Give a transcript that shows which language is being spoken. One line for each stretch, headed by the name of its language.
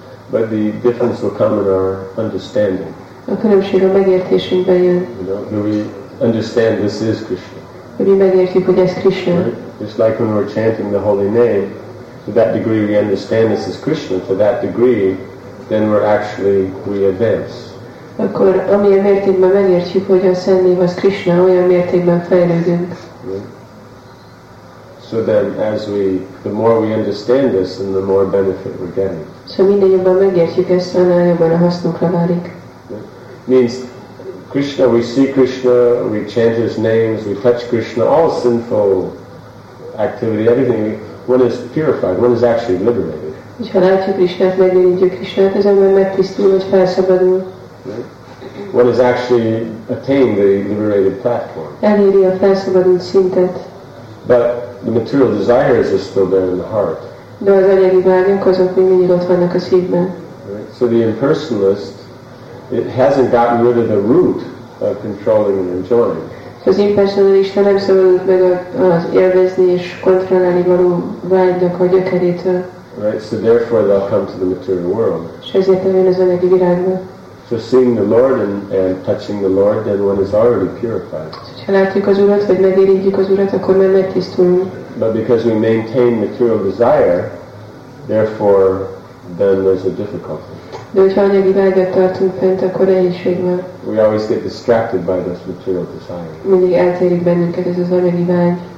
English: But the difference will come in our understanding.
Hungarian: A különbség a megértésünkben jön.
English: You know, do we understand this is Krishna.
Hungarian: Hogy megértjük, hogy ez Krishna.
English: Right? Just like when we're chanting the holy name, to that degree we understand this is Krishna, to that degree, then we're actually, we advance.
Hungarian: Akkor amilyen mértékben megértjük, hogy a Szent Név az Krishna, olyan mértékben fejlődünk.
English: So then, as we, the more we understand this, and the more benefit we're getting.
Hungarian: So minden jobban megértjük ezt, annál jobban a hasznunkra válik.
English: Means, Krishna, we see Krishna, we chant his names, we touch Krishna, all sinful activity, everything, one is purified, one is actually liberated.
Hungarian: És ha látjuk Krishnát, megérintjük Krishnát, az ember megtisztul, vagy felszabadul.
English: One is actually attained the liberated platform.
Hungarian: Eléri a felszabadult szintet.
English: But the material desires are still there in the heart.
Hungarian: De az anyagi vágyunk, azok még mindig ott vannak a szívben.
English: Right? So the impersonalist, it hasn't gotten rid of the root of controlling and enjoying.
Hungarian: Az impersonalista nem szabadult meg az élvezni és kontrollálni való vágynak a gyökerétől.
English: Right? So therefore they'll come to the material world.
Hungarian: És ezért eljön az anyagi világba.
English: So seeing the Lord and touching the Lord, then one is already purified.
Hungarian: Ha látjuk az Urat, vagy megérintjük az Urat, akkor már megtisztulunk.
English: But because we maintain material desire, therefore, then there's a difficulty.
Hungarian: De hogyha anyagi vágyat tartunk fent, akkor nehézség van.
English: We always get distracted by this material desire.
Hungarian: Mindig eltérik bennünket ez az anyagi vágy.